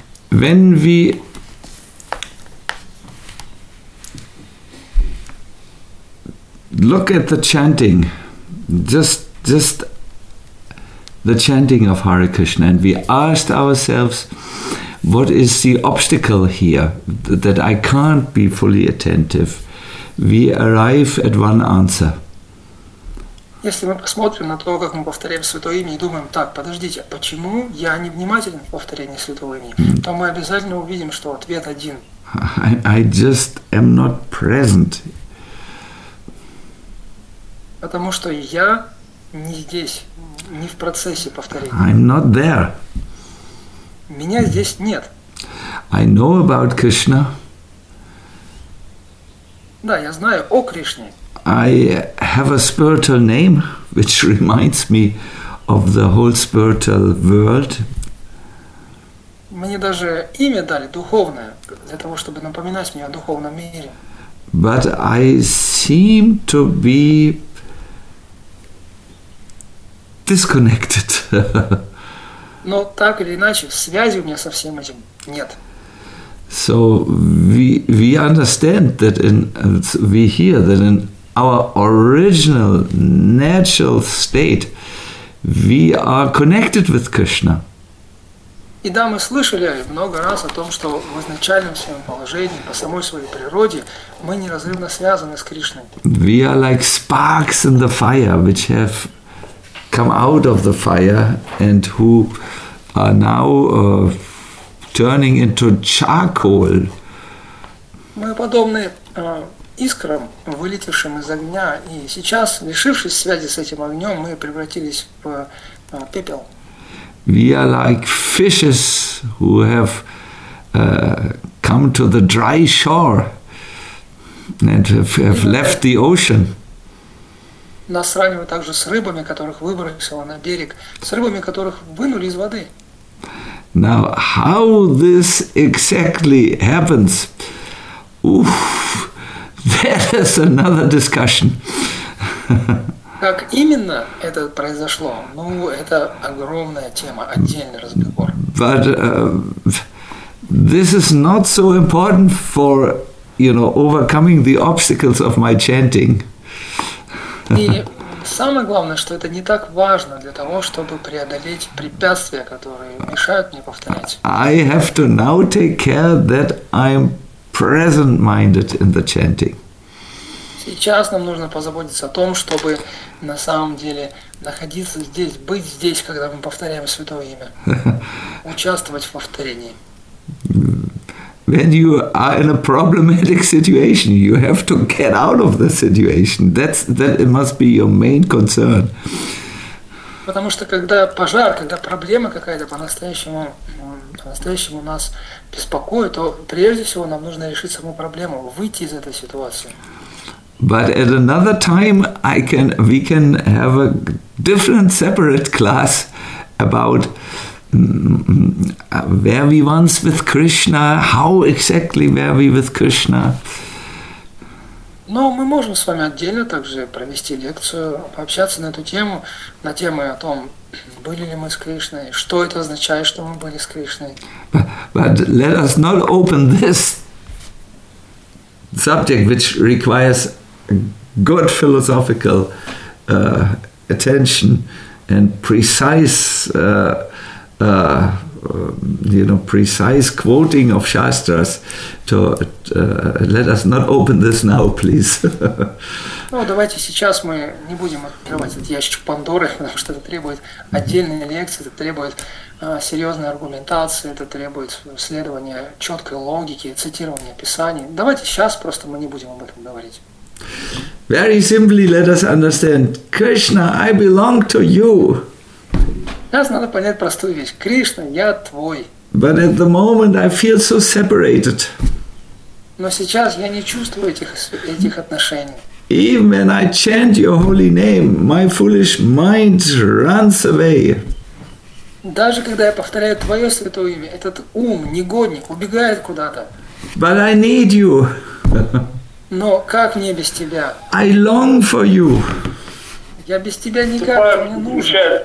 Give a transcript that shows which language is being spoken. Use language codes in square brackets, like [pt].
[en] When we look at the chanting, just the chanting of Hare Krishna, and we asked ourselves, what is the obstacle here that I can't be fully attentive? We arrive at one answer. [ru] Если мы посмотрим на то, как мы повторяем святое имя, и думаем, так, подождите, почему я не внимателен в повторении святого имени, то мы обязательно увидим, что ответ один. [en] I just am not present. [ru] Потому что я не здесь, не в процессе повторения. [en] I'm not there. [ru] Меня здесь нет. [en] I know about Krishna. [ru] Да, я знаю о Кришне. [en] I have a spiritual name which reminds me of the whole spiritual world. [ru] Мне даже имя дали духовное для того, чтобы напоминать мне о духовном мире. [en] But I seem to be disconnected. [ru] Но так или иначе связи у меня со всем этим нет. [en] So we understand that we hear that in our original natural state, we are connected with Krishna. [ru] И да, мы слышали много раз о том, что в изначальном своем положении, по самой своей природе, мы неразрывно связаны с Кришной. [en] We are like sparks in the fire, which have come out of the fire and who are now turning into charcoal. [ru] Мы подобны искрам, вылетевшим из огня, и сейчас, лишившись связи с этим огнем, мы превратились в пепел. [en] We are like fishes who have come to the dry shore and have left the ocean. [ru] Нас сравнивают также с рыбами, которых выбросило на берег, с рыбами, которых вынули из воды. [en] Now, how this exactly happens? Oof. That is another discussion. [ru] Как именно это произошло? Ну, это огромная тема, отдельный разговор. [en] But this is not so important for, you know, overcoming the obstacles of my chanting. [ru] И самое главное, что это не так важно для того, чтобы преодолеть препятствия, которые мешают мне повторять. [en] I have to now take care that I'm present-minded in the chanting. [ru] Сейчас нам нужно позаботиться о том, чтобы на самом деле находиться здесь, быть здесь, когда мы повторяем святое имя, участвовать в повторении. [en] When you are in a problematic situation, you have to get out of the situation. That must be your main concern. [ru] Потому что когда пожар, когда проблема какая-то по-настоящему нас беспокоит, то прежде всего нам нужно решить саму проблему, выйти из этой ситуации. [en] But at another time, we can have a different, separate class about where we once with Krishna, how exactly were we with Krishna. [ru] Но мы можем с вами отдельно также провести лекцию, пообщаться на эту тему, на тему о том, были ли мы с Кришной, что это означает, что мы были с Кришной. [en] But let us not open this subject, which requires good philosophical attention and precise, precise quoting of Shastras. Let us not open this now, please. [ru] Ну, давайте сейчас мы не будем открывать этот ящик Пандоры, потому что это требует отдельной лекции, это требует серьезной аргументации, это требует следования четкой логики, цитирования Писаний. Давайте сейчас просто мы не будем об этом говорить. [en] Very simply, let us understand, Krishna, I belong to you. [ru] Нас надо понять простую вещь. Кришна, я твой. [en] But at the moment, I feel so separated. [ru] Но сейчас я не чувствую этих отношений. [en] Even when I chant your holy name, my foolish mind runs away. [ru] Даже когда я повторяю твое святое имя, этот ум, негодник, убегает куда-то. [en] But I need you. [ru] Но как мне без тебя? [en] I long for you. [ru] Я без тебя никак не нужен.